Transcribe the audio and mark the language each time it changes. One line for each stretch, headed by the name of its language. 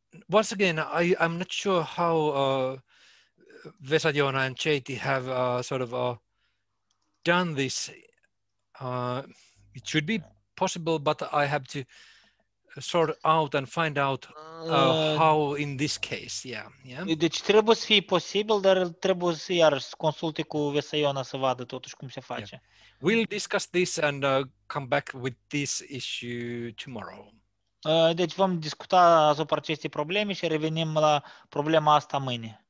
English: once again, I'm not sure how Vesa-Joona and Chaiti have done this. It should be possible, but I have to sort out and find out how in this case, yeah.
Romanian: Deci trebuie să fie posibil, dar trebuie să iarăși consulte cu Vesa-Joona să vadă totuși cum se face.
English: Yeah. We'll discuss this and come back with this issue tomorrow.
Romanian: Deci vom discuta asupra acestei probleme și revenim la problema asta mâine.